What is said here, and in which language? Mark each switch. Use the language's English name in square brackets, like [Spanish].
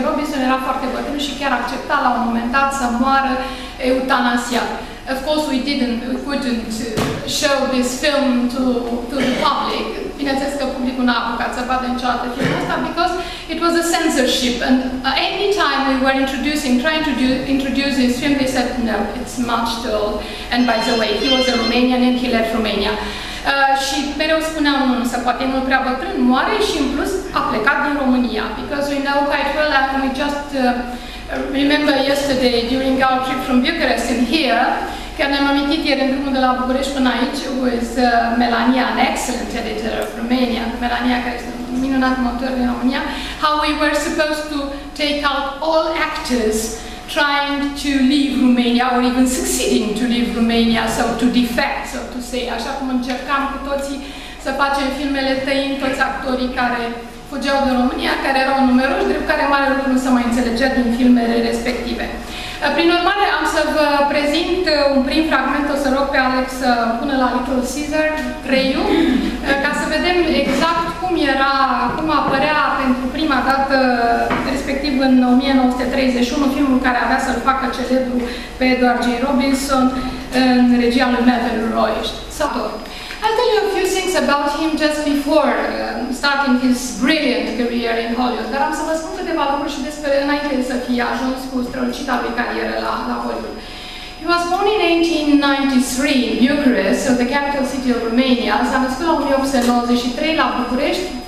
[Romanian] Robinson era foarte bătrân și chiar accepta la un moment dat să moară eutanasia. [English] Of course, we couldn't show this film to the public. [Romanian] Bineînțeles că publicul n-a apucat să vadă niciodată filmul ăsta, [English] because it was a censorship. And any time we were trying to introduce this film, they said, no, it's much too old. And by the way, he was a Romanian and he left Romania. [Romanian] Și mereu spuneam, nu se poate, nu prea bătrân, moare și în plus a plecat din România. [English] Because we know quite well that we just remember yesterday during our trip from Bucharest in here, [Romanian] chiar ne-am amintit ieri în drumul de la București până aici, [English] with Melania, an excellent editor of Romania, [Romanian] Melania care este un minunat motor din România, [English] how we were supposed to take out all actors trying to leave Romania or even succeeding to leave Romania, so to defect, so to say, [Romanian] așa cum încercam cu toții să facem filmele tăind toți actorii care fugeau de România, care erau numeroși, drept care mare lucru nu se mai înțelegea din filmele respective. Prin urmare, am să vă prezint un prim fragment, o să rog pe Alex să pună la Little Caesar, Reiu, ca să vedem exact cum era, cum apărea pentru prima dată, respectiv în 1931, filmul care avea să-l facă celebru pe Edward G. Robinson, în regia lui Mervyn Roy. [English] I'll tell you a few things about him just before starting his brilliant career in Hollywood. [Romanian] Dar am să vă spun câteva lucruri și despre înainte să fie ajuns cu strălucita lui carieră la Hollywood. [English] He was born in 1893 in Bucharest, so the capital city of Romania. [Romanian] S-a născut la 1893 la București.